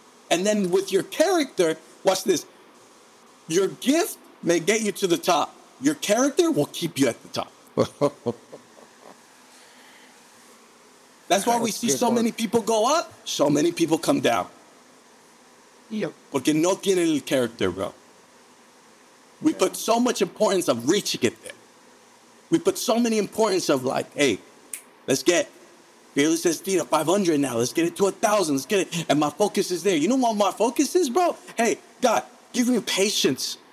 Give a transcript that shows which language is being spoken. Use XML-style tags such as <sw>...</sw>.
<en>And then with your character, watch this. Your gift may get you to the top. Your character will keep you at the top. That's why we see so many people go up, so many people come down. Yep.</en> <es>Porque no tiene el character, bro.</es> <en>We put so much importance of reaching it there. We put so many importance of like, hey, let's get Fearless Estina 500 now. Let's get it to 1,000. Let's get it. And my focus is there. You know what my focus is, bro? Hey, God, give me patience.</en>